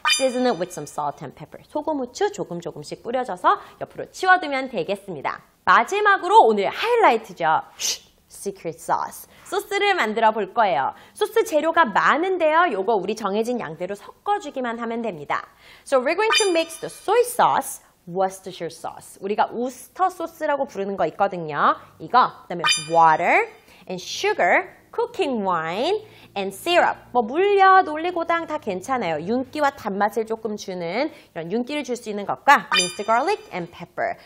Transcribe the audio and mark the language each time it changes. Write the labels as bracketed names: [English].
[English] Season it with some salt and pepper. [Korean] 소금, 후추 조금 조금씩 뿌려줘서 옆으로 치워두면 되겠습니다. 마지막으로 오늘 하이라이트죠. [English] Secret sauce. [Korean] 소스를 만들어 볼 거예요. 소스 재료가 많은데요. 요거 우리 정해진 양대로 섞어주기만 하면 됩니다. [English] So we're going to mix the soy sauce, Worcestershire sauce. [Korean] 우리가 우스터 소스라고 부르는 거 있거든요. 이거, 그 다음에 [English] water, and sugar, cooking wine, and syrup. [Korean] 뭐 물엿, 올리고당 다 괜찮아요. 윤기와 단맛을 조금 주는 이런 윤기를 줄 수 있는 것과 [English] minced garlic and pepper.